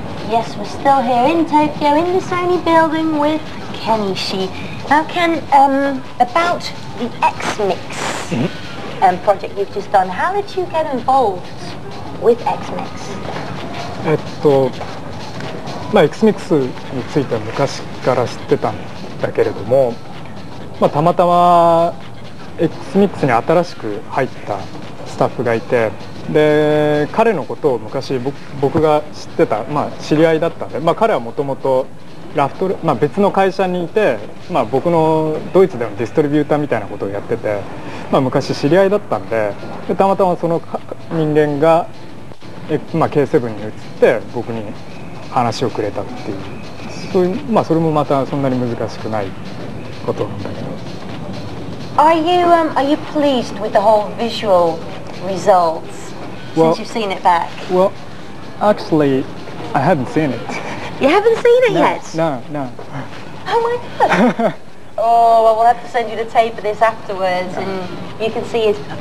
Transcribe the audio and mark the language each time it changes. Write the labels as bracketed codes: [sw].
[en] Yes, we're still here in Tokyo, in the Sony building with Ken Ishii. Now Ken, about the X-Mix project you've just done, how did you get involved with X-Mix? [ja] X-Mix については昔から知ってたんだけれども、まあ、たまたま X-Mix に新しく入ったスタッフがいて、で彼のことを昔 僕が知ってた、まあ、知り合いだったんで、まあ、彼はもともとラフトル、まあ、別の会社にいて、まあ、僕のドイツでのディストリビューターみたいなことをやってて、まあ、昔知り合いだったん でたまたまその人間が、まあ、K7 に移って僕に話をくれたっていう、そういう、まあ、それもまたそんなに難しくないことなんだけど。 [en] Are you pleased with the whole visual results since you've seen it back? Well, actually, I haven't seen it. You haven't seen it yet? No. Oh my god! Oh, well, we'll have to send you the tape of this afterwards, and you can see it.